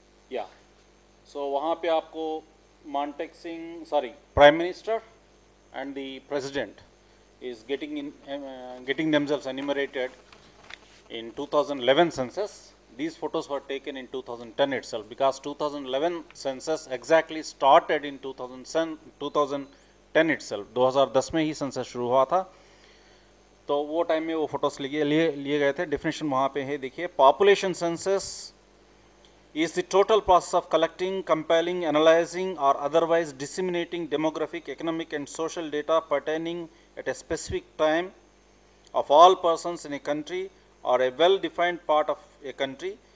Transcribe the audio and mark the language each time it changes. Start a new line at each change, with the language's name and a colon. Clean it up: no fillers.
English: या सो
Hindi: वहां पे आपको
English: Montek Singh sorry prime minister and the president is getting in getting themselves enumerated in 2011 census. These photos were taken in 2010 itself because 2011 census exactly started in 2010 itself.
Hindi: 2010 में ही census शुरू हुआ था तो वो time में वो photos लिए गए थे. Definition वहाँ पे है.
English: देखिए population census is the total process of collecting, compiling, analyzing or otherwise disseminating demographic, economic and social data pertaining at a specific time of all persons in a country or a well-defined part of a country.